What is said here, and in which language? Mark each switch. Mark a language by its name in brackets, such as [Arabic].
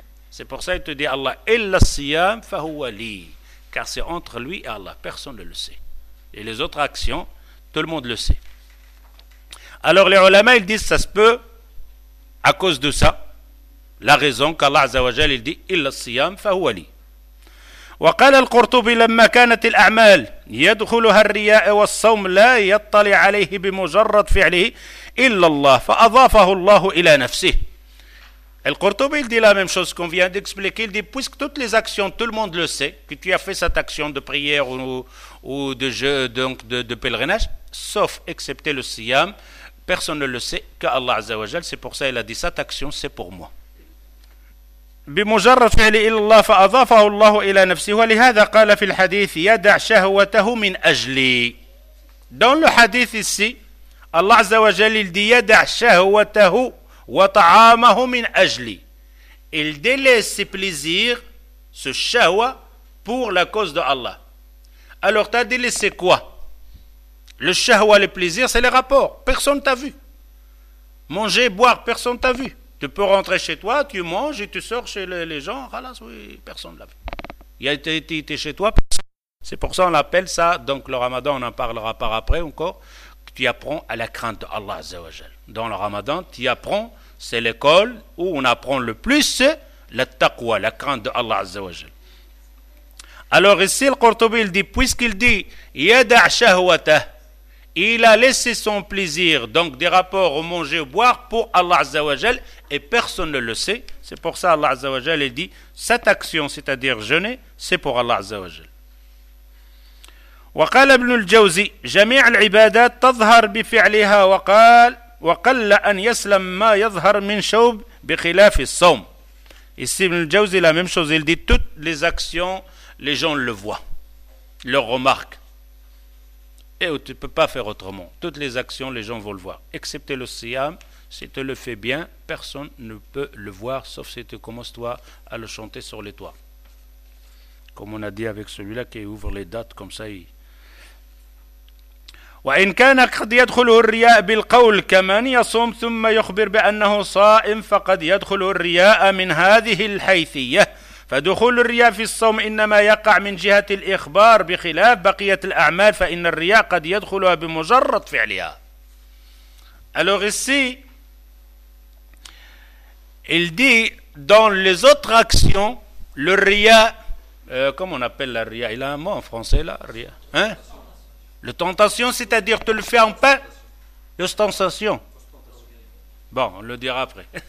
[French] C'est pour ça qu'il te dit Allah, [Arabic] illa siyam fahuwa li. [French] Car c'est entre lui et Allah. Personne ne le sait. Et les autres actions, tout le monde le sait. Alors les ulama, ils disent, ça se peut à cause de ça. La raison qu'Allah Azza wa Jal, il dit, [Arabic] illa siyam fahuwa li. وقال القرطبي لما كانت الأعمال يدخلها الرياء والصوم لا يطلع عليه بمجرد فعله إلا الله فأضافه الله إلى نفسه. [French] القرطبي il dit la même chose qu'on vient d'expliquer. Il dit puisque toutes les actions, tout le monde le sait, que tu as fait cette action de prière ou de jeu, donc de pèlerinage, sauf excepté le siyam, personne ne le sait que Allah Azza wa Jal. C'est pour ça qu'il a dit cette action, c'est pour moi. [Arabic] بمجرد فعل إلى الله فأضافه الله إلى نفسه ولهذا قال في الحديث يدع شهوته من أجلي. [French] Dans le hadith ici, Allah عز وجل dit [Arabic] يدع شهوته وطعامه من أجلي. [French] Il délaisse ses plaisirs, ce shahwa, pour la cause de Allah. Alors t'as délaissé quoi? Le shahwa, le plaisir, c'est les rapports. Personne t'a vu. Manger, boire, personne t'a vu. Tu peux rentrer chez toi, tu manges et tu sors chez les gens. Khalas, oui, personne ne l'a vu. Il a été chez toi. C'est pour ça qu'on appelle ça, donc le ramadan, on en parlera par après encore, que tu apprends à la crainte d'Allah Azza wa Jal. Dans le ramadan, tu apprends, c'est l'école où on apprend le plus la taqwa, la crainte d'Allah Azza wa Jal. Alors ici, le Qurtubi, il dit, puisqu'il dit, [Arabic] yada' shahwatah, [French] il a laissé son plaisir, donc des rapports au manger, au boire, pour Allah Azza wa Jal, et personne ne le sait. C'est pour ça Allah Azza wa Jal dit, cette action, c'est-à-dire jeûner, c'est pour Allah Azza wa Jal. [Arabic] وقال ابن الجوزي جميع العبادات تظهر بفعلها وقال وقل أن يسلم ما يظهر من شوب بخلاف الصوم. [French] Ici, ابن الجوزي, la même chose, il dit, toutes les actions, les gens le voient, le remarquent. Et tu ne peux pas faire autrement. Toutes les actions, les gens vont le voir. Excepté le siyam, si tu le fais bien, personne ne peut le voir, sauf si tu commences toi à le chanter sur les toits. Comme on a dit avec celui-là qui ouvre les dates comme ça. [Arabic] وَإِنْ كَانَ قَدْ يَدْخُلُهُ الرِّيَاءَ بِالْقَوْلِ كَمَنْ يَصُمْ ثُمَّ يُخْبِرْ بِأَنَّهُ صَائِمْ فَقَدْ يَدْخُلُهُ الرِّيَاءَ مِنْ هَذِهِ الْحَيْثِيَةِ فدخول الرياء في الصوم إنما يقع من جهة الإخبار بخلاف بقية الأعمال فإن الرياء قد يدخلها بمجرد فعلها. [French] Alors ici, il dit, dans les autres actions, le ria, comment on appelle la ria? Il a un mot en français là, ria. Hein? Le tentation, c'est-à-dire tu le fais en pain? L'ostentation. Bon, on le dira après.